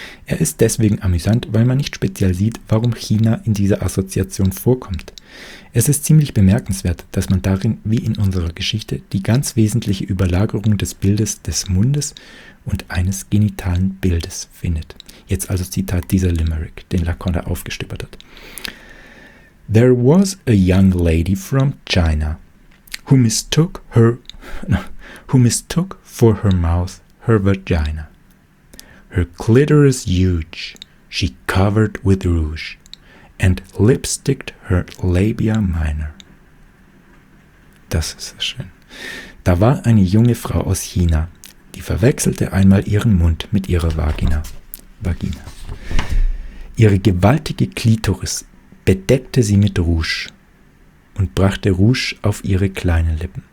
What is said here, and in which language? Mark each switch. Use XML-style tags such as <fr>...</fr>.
<de>Er ist deswegen amüsant, weil man nicht speziell sieht, warum China in dieser Assoziation vorkommt. Es ist ziemlich bemerkenswert, dass man darin, wie in unserer Geschichte, die ganz wesentliche Überlagerung des Bildes des Mundes und eines genitalen Bildes findet. Jetzt also Zitat dieser Limerick, den Lacan da aufgestöbert hat.</de> <en>There was a young lady from China who mistook for her mouth her vagina. Her clitoris huge, she covered with rouge, and lipsticked her labia minor.</en> <de>Das ist so schön. Da war eine junge Frau aus China, die verwechselte einmal ihren Mund mit ihrer Vagina. Vagina. Ihre gewaltige Klitoris bedeckte sie mit Rouge und brachte Rouge auf ihre kleinen Lippen.</de>